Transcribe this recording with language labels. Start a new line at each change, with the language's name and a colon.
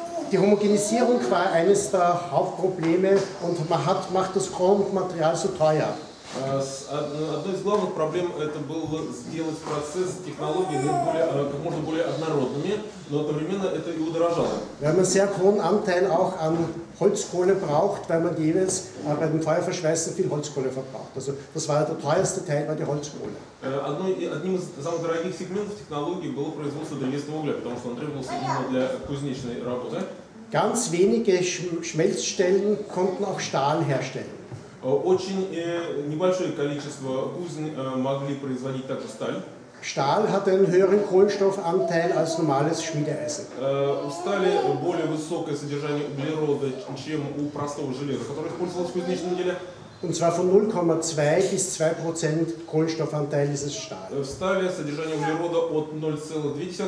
German: Die Homogenisierung war eines der Hauptprobleme, und man macht das Grundmaterial so teuer.
Russian: Одной из главных проблем это было сделать процесс технологии как можно более однородными, но одновременно это и удорожало.
German: Weil man sehr hohen Anteil auch an Holzkohle braucht, weil man jeweils bei dem Feuerverschweißen viel Holzkohle verbraucht. Also das war der teuerste Teil, war die Holzkohle.
Russian: Одним из самых дорогих сегментов технологии было производство древесного угля, потому что он требовался именно для кузнечной работы.
German: Ganz wenige Schmelzstellen konnten auch Stahl herstellen.
Russian: Очень небольшое количество кузни могли производить также сталь.
German: Stahl hat einen höheren Kohlenstoffanteil als normales Schmiedeeisen.
Russian: У стали более высокое содержание углерода, чем у простого железа, которое использовалось в кузнечном деле.
German: Und zwar von 0,2 bis 2% Kohlenstoffanteil ist es Stahl.
Russian: В стали содержание углерода от 0,2% до 2%.